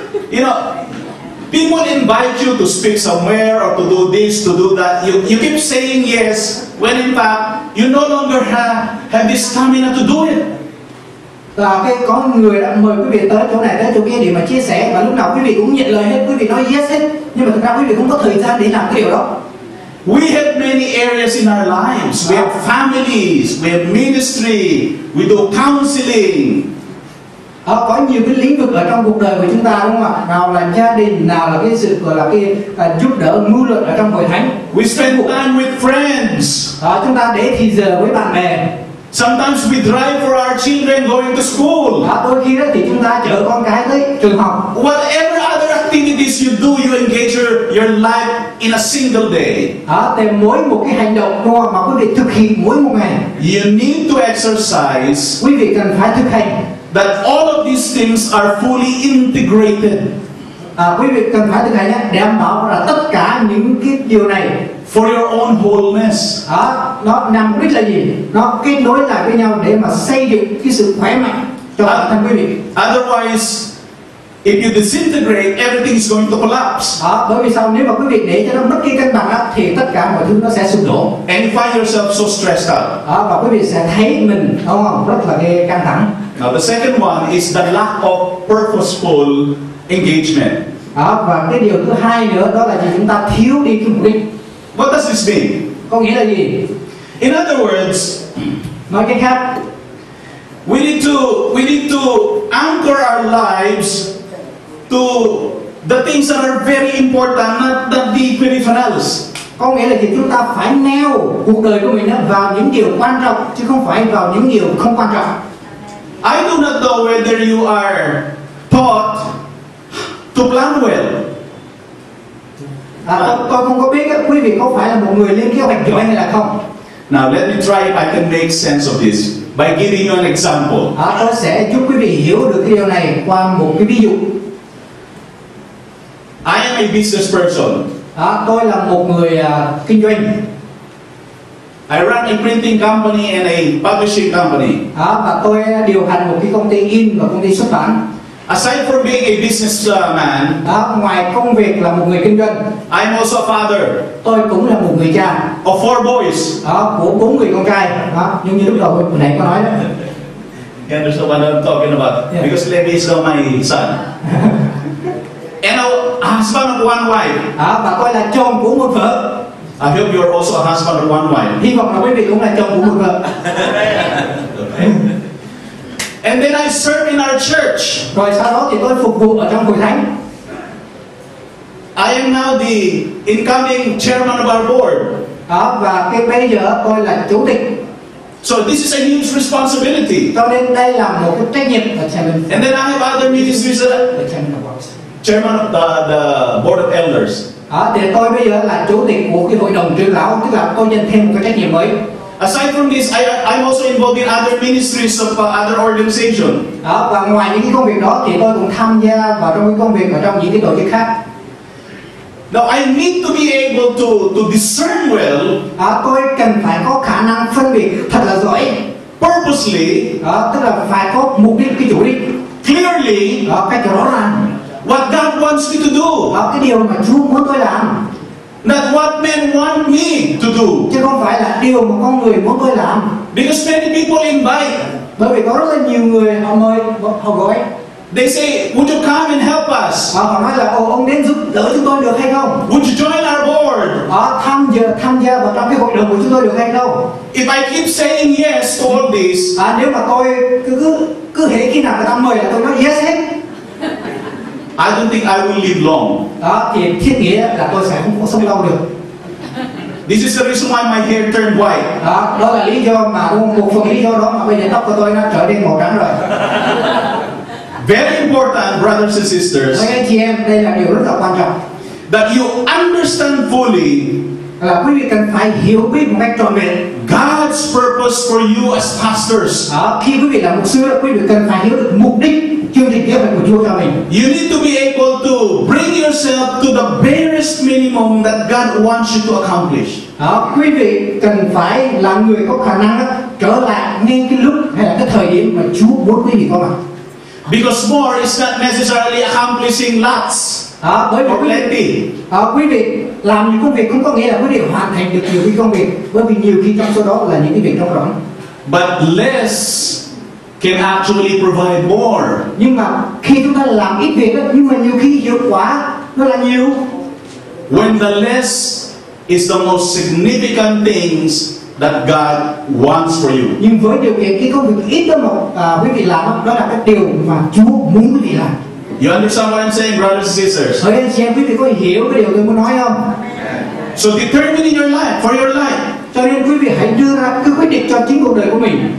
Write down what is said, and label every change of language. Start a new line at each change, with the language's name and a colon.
English: You know, people invite you to speak somewhere or to do this, to do that. You keep saying yes, when in fact you no longer have the stamina to do it.
Vietnamese: Và cái có người đã mời quý vị tới chỗ này, tới chỗ kia để mà chia sẻ, và lúc nào quý vị cũng nhận lời hết, quý vị nói yes hết, nhưng mà thực ra quý vị không có thời gian để làm cái điều đó.
English: We have many areas in our lives. We have families, we have ministry, we do counseling.
Vietnamese: Có nhiều cái lĩnh vực ở trong cuộc đời của chúng ta đúng không ạ? Nào là gia đình, nào là cái sự gọi là cái giúp đỡ mưu luận ở trong hội thánh.
English: We spend time with friends.
Vietnamese: Chúng ta để thì giờ với bạn bè.
English: Sometimes we drive for our children going to school.
Vietnamese: Đôi khi đó thì chúng ta chở con cái tới trường học.
English: Whatever other activities you do, you engage your life in a single day.
Vietnamese: Thì mỗi một cái hành động đó mà quý vị thực hiện mỗi một ngày.
English: You need to exercise.
Vietnamese: Quý vị cần phải thực hành.
English: That all of these things are fully integrated.
Vietnamese: Quý vị cần phải thực hành nhé, đảm bảo là tất cả những cái điều này
English: for your own wholeness.
Vietnamese: Nó nằm biết là gì? Nó kết nối lại với nhau để mà xây dựng cái sự khỏe mạnh cho bản thân quý vị.
English: Otherwise, if you disintegrate, everything is going to collapse.
Vietnamese: Bởi vì sao? Nếu mà quý vị để cho nó mất cái cân bằng đó, thì tất cả mọi thứ nó sẽ sụp đổ.
English: And you find yourself so stressed out.
Vietnamese: Và quý vị sẽ thấy mình đúng không? Rất là ghê căng thẳng.
English: Now the second one is the lack of purposeful engagement.
Vietnamese: Và cái điều thứ hai nữa đó là gì? Chúng ta thiếu đi cái mục đích.
English: What does this mean?
Vietnamese: Có nghĩa là gì?
English: In other words,
Vietnamese: nói cách khác,
English: we need to anchor our lives to the things that are very important, not the peripherals.
Vietnamese: Có nghĩa là gì? Chúng ta phải neo cuộc đời của mình vào những điều quan trọng chứ không phải vào những điều không quan trọng.
English: I do not know whether you are taught to plan well.
Vietnamese: Tôi không có biết quý vị có phải là một người lên kế hoạch hay là không.
English: Now let me try if I can make sense of this by giving you an example.
Vietnamese: Tôi sẽ giúp quý vị hiểu được cái điều này qua một cái ví dụ.
English: I am a business person.
Vietnamese: Tôi là một người kinh doanh.
English: I run a printing company and a publishing company.
Vietnamese: Và tôi điều hành một cái công ty in và công ty xuất bản.
English: Aside from being a businessman,
Vietnamese: ngoài công việc là một người kinh doanh,
English: I'm also a father.
Vietnamese: Tôi cũng là một người cha.
English: Of four boys.
Vietnamese: Của bốn người con trai. Nhưng như lúc đầu mình này có nói.
English: You understand what I'm talking about? Yeah. Because Levi is not my son. And a husband of one wife.
Vietnamese: Và tôi là chồng của một vợ.
English: I hope you are also a husband of one wife.
Vietnamese: Hy vọng là quý vị cũng là chồng của một vợ.
English: And then I serve in our church.
Vietnamese: Rồi sau đó thì tôi phục vụ ở trong hội thánh.
English: I am now the incoming chairman of our board.
Vietnamese: Và cái bây giờ tôi là chủ tịch.
English: So this is a huge responsibility.
Vietnamese: Cho nên đây là một cái trách nhiệm của chairman.
English: And then I have other ministries. Chairman of the board of elders.
Vietnamese: Thì tôi bây giờ là chủ tịch của cái hội đồng trưởng lão, tức là tôi nhận thêm một cái trách nhiệm mới.
English: Aside from this, I'm also involved in other ministries of other organization.
Vietnamese: Và ngoài những cái công việc đó thì tôi cũng tham gia vào trong cái công việc ở trong những cái tổ chức khác.
English: Now I need to be able to discern well.
Vietnamese: Tôi cần phải có khả năng phân biệt thật là giỏi.
English: Purposely.
Vietnamese: Tức là phải có mục đích, cái chủ đích.
English: Clearly.
Vietnamese: Cách rõ ràng.
English: What God wants me to do.
Vietnamese: Cái điều mà Chúa muốn tôi làm.
English: Not what men want me to do.
Vietnamese: Chứ không phải là điều mà con người muốn tôi làm.
English: Because many people invite.
Vietnamese: Bởi vì có rất là nhiều người họ mời, họ gọi.
English: They say, would you come and help us?
Vietnamese: Họ nói là, ông đến giúp đỡ chúng tôi được hay không?
English: Would you join our board?
Vietnamese: Tham gia vào trong cái hội đồng của chúng tôi được hay không?
English: If I keep saying yes to all this.
Vietnamese: Nếu mà tôi cứ hễ khi nào người ta mời là tôi nói yes hết.
English: I don't think I will live long.
Vietnamese: Thì thiết nghĩa là tôi sẽ không có sống lâu được.
English: This is the reason why my hair turned white.
Vietnamese: Đó là lý do mà một phần lý do đó mà bây giờ tóc của tôi nó trở nên màu trắng rồi.
English: Very important, brothers and sisters.
Vietnamese: Anh chị em, đây là điều rất là quan trọng.
English: That you understand fully.
Vietnamese: Là quý vị cần phải hiểu biết một cách trọn vẹn.
English: God's purpose for you as pastors.
Vietnamese: Khi quý vị là mục sư, quý vị cần phải hiểu được mục đích chương trình giáo hội của Chúa cho mình.
English: You need to be able to bring yourself to the barest minimum that God wants you to accomplish.
Vietnamese: Quý vị cần phải là người có khả năng trở lại ngay cái lúc hay là cái thời điểm mà Chúa muốn quý vị có mặt.
English: Because more is not necessarily accomplishing lots.
Vietnamese: Bởi vì quý vị làm những công việc cũng có nghĩa là quý vị hoàn thành được nhiều cái công việc, bởi vì nhiều khi trong số đó là những cái việc trong rỗng.
English: But less can actually provide more.
Vietnamese: Nhưng mà khi chúng ta làm ít việc đó, nhưng mà nhiều khi hiệu quả nó là nhiều.
English: When the less is the most significant things that God wants for you.
Vietnamese: Nhưng với điều kiện cái công việc ít đó mà quý vị làm đó là cái điều mà Chúa muốn quý vị làm.
English: You understand what I'm saying, brothers and sisters?
Vietnamese: Thưa anh chị em, quý vị có hiểu cái điều tôi muốn nói không?
English: So determine in your life, for your life.
Vietnamese: Cho nên quý vị hãy đưa ra cái quyết định cho chính cuộc đời của mình.